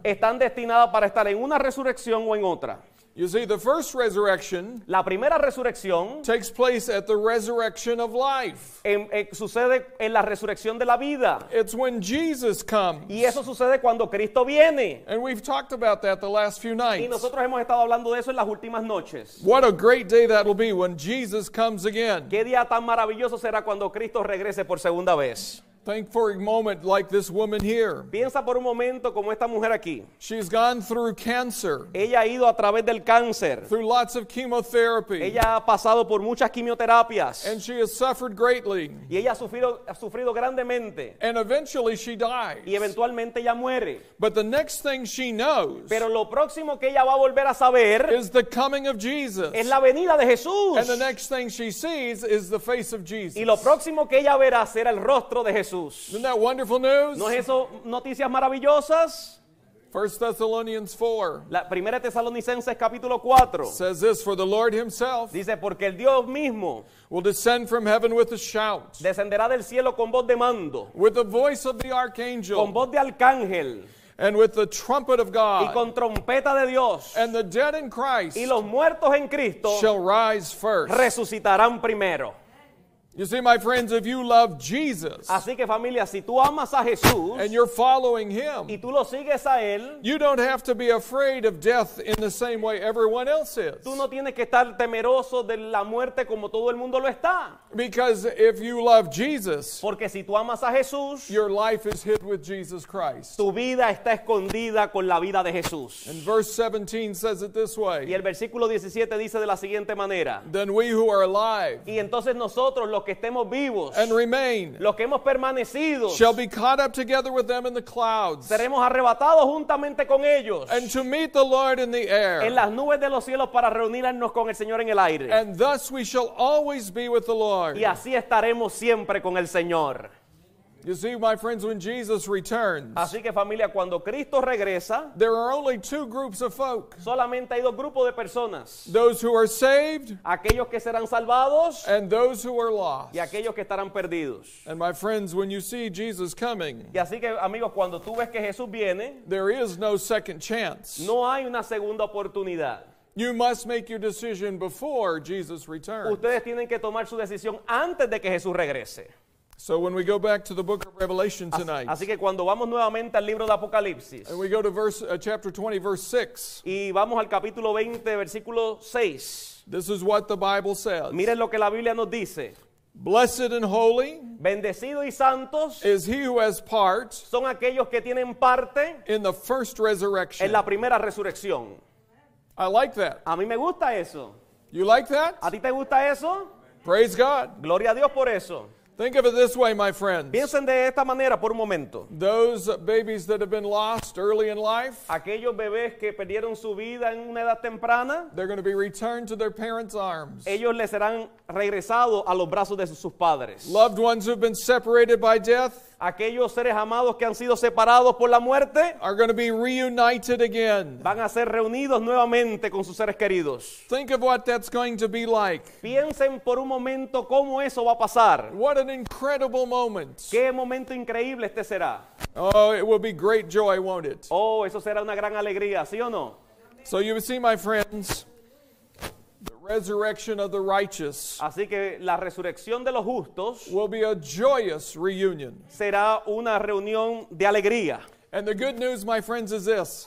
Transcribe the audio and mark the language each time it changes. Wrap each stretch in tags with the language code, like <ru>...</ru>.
<es>Están destinadas para estar en una resurrección o en otra.</es> <en>You see, the first resurrection,</en> <es>la primera resurrección,</es> <en>takes place at the resurrection of life.</en> <es>Sucede en la resurrección de la vida.</es> <en>It's when Jesus comes.</en> <es>Y eso sucede cuando Cristo viene.</es> <en>And we've talked about that the last few nights.</en> <es>Y nosotros hemos estado hablando de eso en las últimas noches.</es> <en>What a great day that will be when Jesus comes again.</en> <es>Qué día tan maravilloso será cuando Cristo regrese por segunda vez.</es> <en>Think for a moment like this woman here.</en> <es>Piensa por un momento como esta mujer aquí.</es> <en>She's gone through cancer.</en> <es>Ella ha ido a través del cáncer.</es> <en>Through lots of chemotherapy.</en> <es>Ella ha pasado por muchas quimioterapias.</es> <en>And she has suffered greatly.</en> <es>Y ella ha sufrido grandemente.</es> <en>And eventually she dies.</en> <es>Y eventualmente ella muere.</es> <en>But the next thing she knows.</en> <es>Pero lo próximo que ella va a volver a saber.</es> <en>Is the coming of Jesus.</en> <es>Es la venida de Jesús.</es> <en>And the next thing she sees is the face of Jesus.</en> <es>Y lo próximo que ella verá será el rostro de Jesús.</es> <en>Isn't that wonderful news?</en> <es>¿No es eso noticias maravillosas?</es> <en>1 Thessalonians 4.</en> <es>La primera Tesalonicenses capítulo 4.</es> <en>Says this, for the Lord himself.</en> <es>Dice porque el Dios mismo.</es> <en>Will descend from heaven with a shout.</en> <es>Descenderá del cielo con voz de mando.</es> <en>With the voice of the archangel.</en> <es>Con voz de arcángel.</es> <en>And with the trumpet of God.</en> <es>Y con trompeta de Dios.</es> <en>And the dead in Christ.</en> <es>Y los muertos en Cristo.</es> <en>Shall rise first.</en> <es>Resucitarán primero.</es> <en>You see, my friends, if you love Jesus,</en> <es>así que familia, si tú amas a Jesús,</es> <en>and you're following him,</en> <es>y tú lo sigues a él,</es> <en>you don't have to be afraid of death in the same way everyone else is.</en> <es>Tú no tienes que estar temeroso de la muerte como todo el mundo lo está.</es> <en>Because if you love Jesus,</en> <es>porque si tú amas a Jesús,</es> <en>your life is hid with Jesus Christ.</en> <es>Tu vida está escondida con la vida de Jesús.</es> <en>And verse 17 says it this way.</en> <es>Y el versículo 17 dice de la siguiente manera.</es> <en>Then we who are alive,</en> <es>y entonces nosotros los que estemos vivos,</es> <en>and remain,</en> <es>los que hemos permanecido,</es> <en>shall be caught up together with them in the clouds,</en> <es>seremos arrebatados juntamente con ellos,</es> <en>and to meet the Lord in the air,</en> <es>en las nubes de los cielos para reunirnos con el Señor en el aire,</es> <en>and thus we shall always be with the Lord,</en> <es>y así estaremos siempre con el Señor.</es> <en>You see, my friends, when Jesus returns,</en> <es>así que familia, cuando Cristo regresa,</es> <en>there are only two groups of folk.</en> <es>Solamente hay dos grupos de personas.</es> <en>Those who are saved,</en> <es>aquellos que serán salvados,</es> <en>and those who are lost,</en> <es>y aquellos que estarán perdidos.</es> <en>And my friends, when you see Jesus coming,</en> <es>y así que amigos, cuando tú ves que Jesús viene,</es> <en>there is no second chance.</en> <es>No hay una segunda oportunidad.</es> <en>You must make your decision before Jesus returns.</en> <es>Ustedes tienen que tomar su decisión antes de que Jesús regrese.</es> <en>So when we go back to the book of Revelation tonight,</en> <es>así que cuando vamos nuevamente al libro de Apocalipsis,</es> <en>and we go to chapter 20, verse 6,</en> <es>y vamos al capítulo 20, versículo 6,</es> <en>this is what the Bible says.</en> <es>Miren lo que la Biblia nos dice.</es> <en>Blessed and holy.</en> <es>Bendecido y santos.</es> <en>Is he who has part.</en> <es>Son aquellos que tienen parte.</es> <en>In the first resurrection.</en> <es>En la primera resurrección.</es> <en>I like that.</en> <es>A mí me gusta eso.</es> <en>You like that?</en> <es>A ti te gusta eso?</es> <en>Praise God.</en> <es>Gloria a Dios por eso.</es> <en>Think of it this way, my friends.</en> <es>Piensen de esta manera por un momento.</es> <en>Those babies that have been lost early in life.</en> <es>Aquellos bebés que perdieron su vida en una edad temprana.</es> <en>They're going to be returned to their parents' arms.</en> <es>Ellos les serán regresados a los brazos de sus padres.</es> <en>Loved ones who've been separated by death.</en> <es>Aquellos seres amados que han sido separados por la muerte.</es> <en>Are going to be reunited again.</en> <es>Van a ser reunidos nuevamente con sus seres queridos.</es> <en>Think of what that's going to be like.</en> <es>Piensen por un momento cómo eso va a pasar.</es> <en>What an incredible moment.</en> <es>Qué momento increíble este será.</es> <en>Oh, it will be great joy, won't it?</en> <es>Oh, eso será una gran alegría, ¿sí o no?</es> <en>So you see, my friends, the resurrection of the righteous.</en> <es>Así que la resurrección de los justos</es> <en>will be a joyous reunion.</en> <es>Será una reunión de alegría.</es> <en>And the good news, my friends, is this.</en>